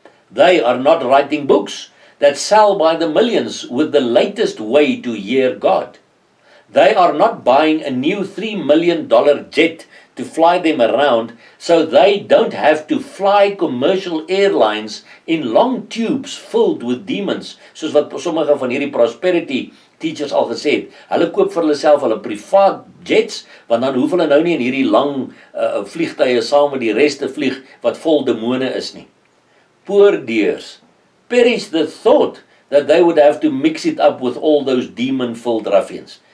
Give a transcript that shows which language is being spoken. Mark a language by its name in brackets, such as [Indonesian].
[English] They are not writing books that sell by the millions with the latest way to hear God. They are not buying a new $3 million jet to fly them around so they don't have to fly commercial airlines in long tubes filled with demons, [Afrikaans] soos wat sommige van hierdie prosperity teachers al gesê het. Hulle koop vir hulle self hulle private jets, want dan hoef hulle nou nie in hierdie lang vliegtuie saam met die reste vlieg wat vol demone is nie. [English] Poor dears, perish the thought that they would have to mix it up with all those demon-filled ruffians.